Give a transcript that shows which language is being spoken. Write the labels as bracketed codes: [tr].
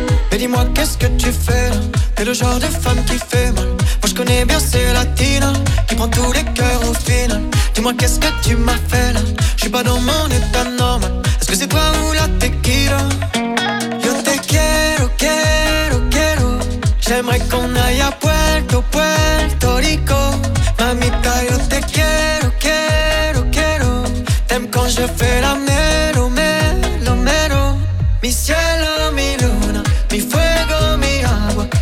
[fr] Et dis-moi, qu'est-ce que tu fais? T'es le genre de femme qui fait mal. Moi, je connais bien ces latines qui prend tous les cœurs au final. Dis-moi, qu'est-ce que tu m'as fait là? Je suis pas dans mon état normal. Est-ce que c'est toi ou la tequila? [es] Yo te quiero, quiero, quiero. [fr] J'aimerais qu'on aille à Puerto, Puerto Rico. [es] Mamita, yo te quiero, quiero, quiero. [fr] T'aimes quand je fais la mero, mero, mero. [es] Mi cielo, mi luna, mi fuego, mi agua.